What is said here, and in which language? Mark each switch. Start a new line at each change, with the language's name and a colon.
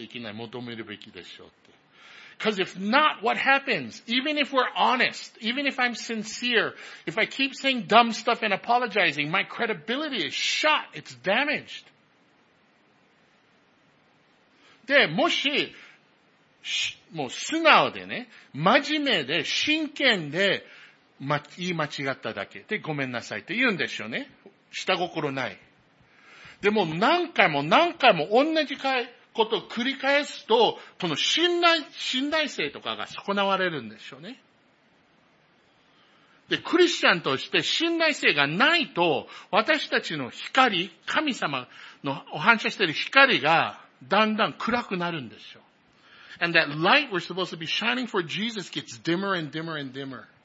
Japanese: 反応する前に祈るべき、知恵を求めないといけない、求めるべきでしょうって。
English: Because if not, what happens? Even if we're honest, even if I'm sincere, if I keep saying dumb stuff and apologizing, my credibility is shot. It's damaged.
Japanese: で、もし、 もう素直でね、真面目で、真剣で、 言い間違っただけでごめんなさいって言うんでしょうね。下心ない。でも何回も何回も同じことを繰り返すと、この信頼性とかが損なわれるんでしょうね。で、クリスチャンとして信頼性がないと、私たちの光、神様のお反射している光がだんだん暗くなるんでしょう。
English: And that light we're supposed to be shining for Jesus gets dimmer and dimmer and dimmer.